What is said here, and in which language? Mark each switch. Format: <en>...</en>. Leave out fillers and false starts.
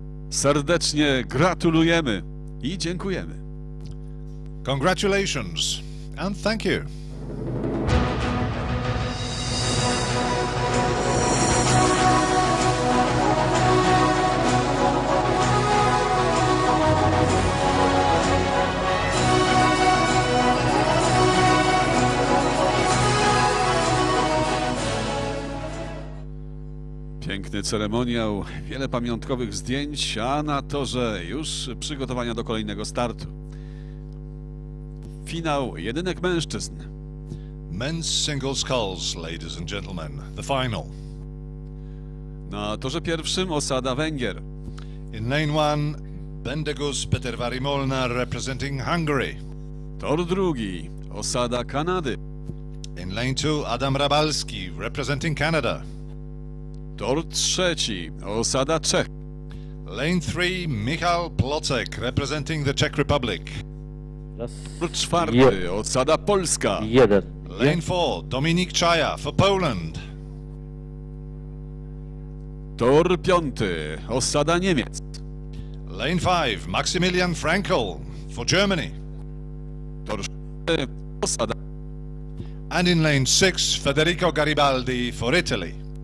<pl>Serdecznie gratulujemy i dziękujemy.</pl> <en>Congratulations and thank you.</en> <pl>Piękny ceremoniał, wiele pamiątkowych zdjęć, a na torze już przygotowania do kolejnego startu. Finał jedynek mężczyzn.</pl> <en>Men's single sculls, ladies and gentlemen, the final.</en> <pl>Na torze pierwszym osada Węgier.</pl> <en>In lane one, Bendegus Petervari Molnar representing Hungary.</en> <pl>Tor drugi, osada Kanady.</pl> <en>In lane two, Adam Rabalski representing Canada.</en> <pl>Tor trzeci, osada Czech.</pl> <en>Lane 3, Michal Plocek, representing the Czech Republic.</en> <pl>Tor czwarty, osada Polska. Jeden.</pl> <en>Lane 4, Dominik Czaja, for Poland.</en> <pl>Tor piąty, osada Niemiec.</pl> <en>Lane 5, Maximilian Frankel, for Germany.</en> <pl>Tor szósty, osada.</pl> <en>And in lane 6, Federico Garibaldi, for Italy.</en>